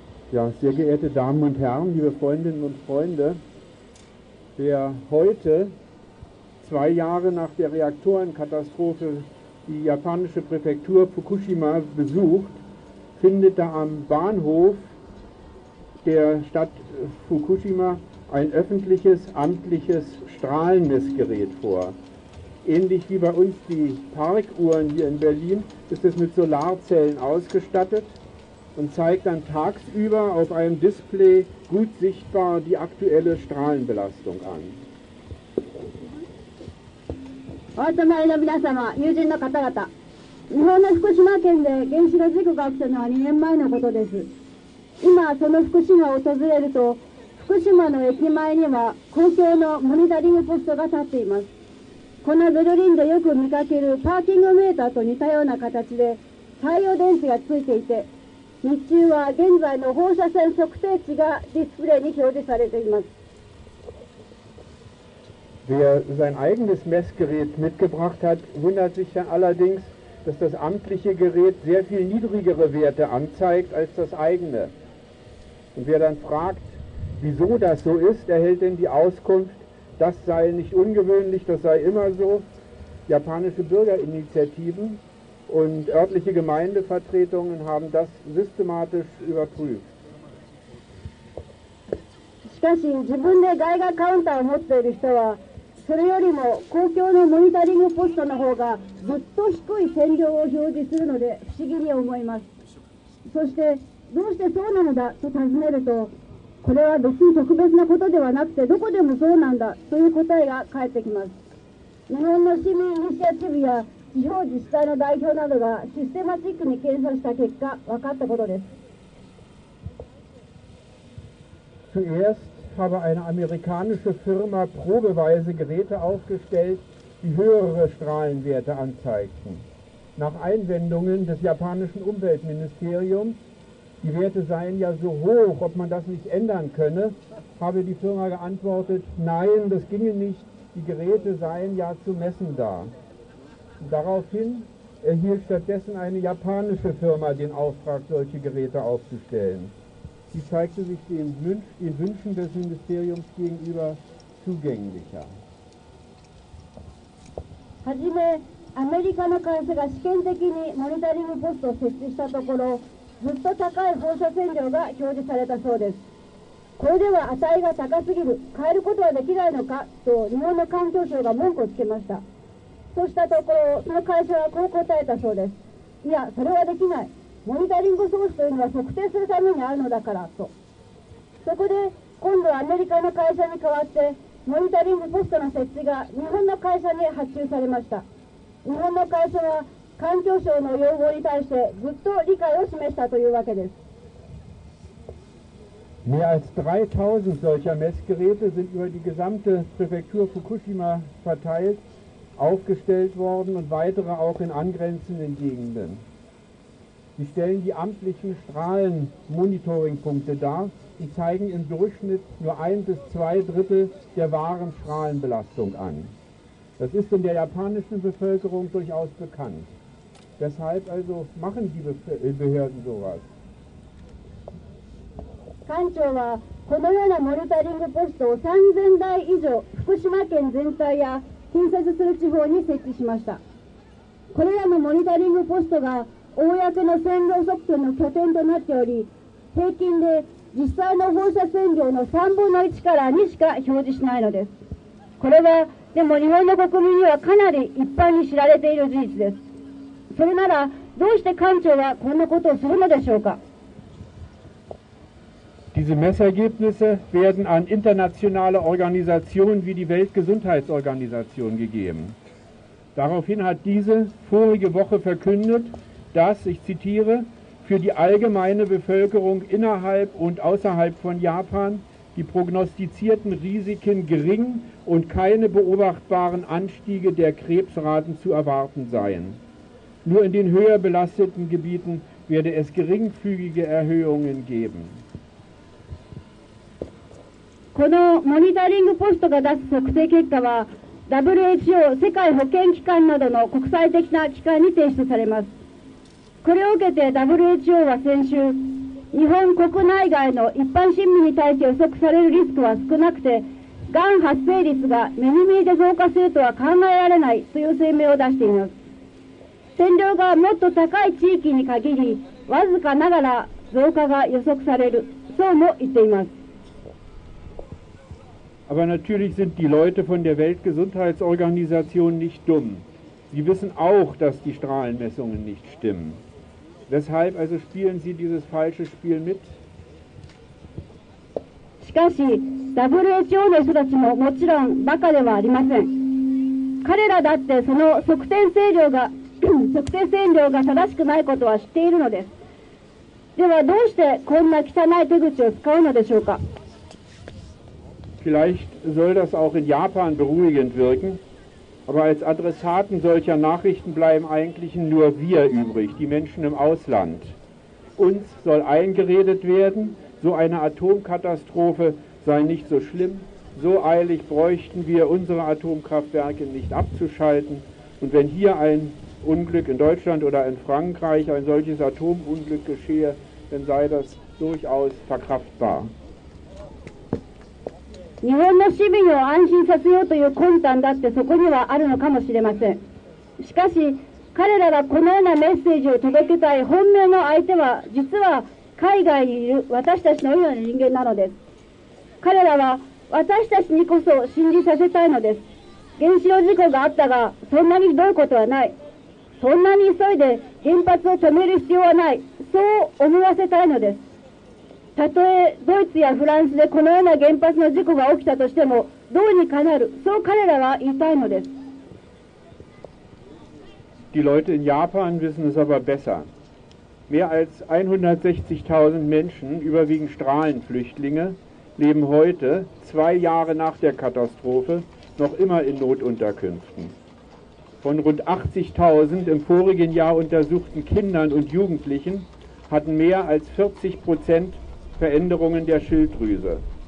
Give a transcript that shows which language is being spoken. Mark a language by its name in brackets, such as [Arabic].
[German] Ja, sehr geehrte Damen und Herren, liebe Freundinnen und Freunde, der heute, 2 Jahre nach der Reaktorenkatastrophe, die japanische Präfektur Fukushima besucht, findet da am Bahnhof der Stadt Fukushima ein öffentliches, amtliches Strahlenmessgerät vor. Ähnlich wie bei uns die Parkuhren hier in Berlin ist es mit Solarzellen ausgestattet und zeigt dann tagsüber auf einem Display gut sichtbar die aktuelle Strahlenbelastung an. [Japanese] お泊まりの皆様、友人の方々、日本の福島県で原子炉事故が起きたのは2年前のことです。今その福島を訪れると、福島の駅前には公共のモニタリングポストが立っています。このベルリンでよく見かけるパーキングメーターと似たような形で太陽電池がついていて、日中は現在の放射線測定値がディスプレイに表示されています。 [German] Wer sein eigenes Messgerät mitgebracht hat, wundert sich ja allerdings, dass das amtliche Gerät sehr viel niedrigere Werte anzeigt als das eigene. Und wer dann fragt, wieso das so ist, erhält dann die Auskunft, das sei nicht ungewöhnlich, das sei immer so. Japanische Bürgerinitiativen und örtliche Gemeindevertretungen haben das systematisch überprüft. [Japanese] しかし、自分でガイガーカウンターを持っている人は、それよりも公共のモニタリングポストの方がずっと低い線量を表示するので不思議に思います。そして、どうしてそうなのだと尋ねると、これは別に特別なことではなくて、どこでもそうなんだという答えが返ってきます。日本の市民イニシアチブや地方自治体の代表などがシステマチックに検査した結果、分かったことです。 [German] Zuerst habe eine amerikanische Firma probeweise Geräte aufgestellt, die höhere Strahlenwerte anzeigten. Nach Einwendungen des japanischen Umweltministeriums, die Werte seien ja so hoch, ob man das nicht ändern könne, habe die Firma geantwortet, nein, das ginge nicht, die Geräte seien ja zu messen da. Daraufhin erhielt stattdessen eine japanische Firma den Auftrag, solche Geräte aufzustellen. Die zeigte sich den Wünschen des Ministeriums gegenüber zugänglicher. [Japanese] はじめ、アメリカの会社が試験的にモニタリングポストを設置したところ、ずっと高い放射線量が表示されたそうです。これでは値が高すぎる、変えることはできないのかと日本の環境省が文句をつけました。そうしたところ、その会社はこう答えたそうです。いや、それはできない。モニタリング装置というのは測定するためにあるのだからと。そこで今度はアメリカの会社に代わってモニタリングポストの設置が日本の会社に発注されました。日本の会社は環境省の要望に対してずっと理解を示したというわけです。 [German] Mehr als 3000 solcher Messgeräte sind über die gesamte Präfektur Fukushima verteilt, aufgestellt worden und weitere auch in angrenzenden Gegenden. Sie stellen die amtlichen Strahlenmonitoringpunkte dar und zeigen im Durchschnitt nur ein bis zwei Drittel der wahren Strahlenbelastung an. Das ist in der japanischen Bevölkerung durchaus bekannt. Weshalb also machen die Behörden sowas? [Japanese] 館長はこのようなモニタリングポストを3000台以上福島県全体や近接する地方に設置しました。これらのモニタリングポストが公の線量測定の拠点となっており、平均で実際の放射線量の3分の1から2しか表示しないのです。これは、でも日本の国民にはかなり一般に知られている事実です。それなら、どうして館長はこんなことをするのでしょうか。 [German] Diese Messergebnisse werden an internationale Organisationen wie die Weltgesundheitsorganisation gegeben. Daraufhin hat diese vorige Woche verkündet,dass, ich zitiere, für die allgemeine Bevölkerung innerhalb und außerhalb von Japan die prognostizierten Risiken gering und keine beobachtbaren Anstiege der Krebsraten zu erwarten seien. Nur in den höher belasteten Gebieten werde es geringfügige Erhöhungen geben. [Japanese] このモニタリングポストが出す測定結果は WHO 世界保健機関などの国際的な機関に提出されます。これを受けて WHO は先週、日本国内外の一般市民に対して予測されるリスクは少なくて、がん発生率が目に見えて増加するとは考えられないという声明を出しています。線量がもっと高い地域に限り、わずかながら増加が予測される、そうも言っています。 [German] Aber natürlich sind die Leute von der Weltgesundheitsorganisation nicht dumm. Sie wissen auch, dass die Strahlenmessungen nicht stimmen. Weshalb also spielen Sie dieses falsche Spiel mit? [Japanese] しかし、WHO の人たちももちろんバカではありません。彼らだってその測定線量が測定線量が正しくないことは知っているのです。ではどうしてこんな汚い手口を使うのでしょうか。 [German] Vielleicht soll das auch in Japan beruhigend wirken, aber als Adressaten solcher Nachrichten bleiben eigentlich nur wir übrig, die Menschen im Ausland. Uns soll eingeredet werden, so eine Atomkatastrophe sei nicht so schlimm, so eilig bräuchten wir unsere Atomkraftwerke nicht abzuschalten. Und wenn hier ein Unglück in Deutschland oder in Frankreich, ein solches Atomunglück geschehe, dann sei das durchaus verkraftbar. [Japanese] 日本の市民を安心させようという魂胆だってそこにはあるのかもしれません。しかし彼らがこのようなメッセージを届けたい本命の相手は実は海外にいる私たちのような人間なのです。彼らは私たちにこそ信じさせたいのです。原子炉事故があったがそんなにひどいことはない、そんなに急いで原発を止める必要はない、そう思わせたいのです。たとえドイツやフランスでこのような原発の事故が起きたとしてもどうにかなる、そう彼らは言いたいのです。 [German] Die Leute in Japan wissen es aber besser. Mehr als 160.000 Menschen, überwiegend Strahlenflüchtlinge, leben heute, zwei Jahre nach der Katastrophe, noch immer in Notunterkünften. Von rund 80.000 im vorigen Jahr untersuchten Kindern und Jugendlichen hatten mehr als 40%Veränderungen der Schilddrüse.